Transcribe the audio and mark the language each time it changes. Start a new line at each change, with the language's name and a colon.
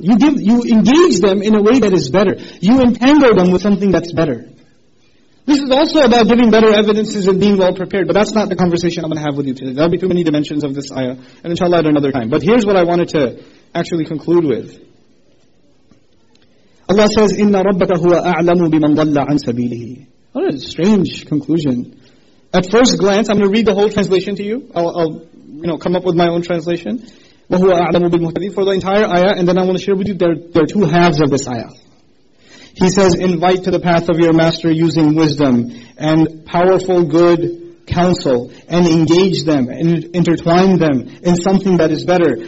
English: You engage them in a way that is better. You entangle them with something that's better. This is also about giving better evidences and being well prepared, but that's not the conversation I'm going to have with you today. There'll be too many dimensions of this ayah, and inshallah at another time. But here's what I wanted to actually conclude with. Allah says,
Arabic: إِنَّ رَبَّكَ هُوَ أَعْلَمُ بِمَنْ ضَلَّ عَنْ سَبِيلِهِ.
English: What a strange conclusion. At first glance, I'm going to read the whole translation to you. I'll come up with my own translation. For the entire ayah, and then I want to share with you there are two halves of this ayah. He says, invite to the path of your master using wisdom and powerful good counsel, and engage them and intertwine them in something that is better.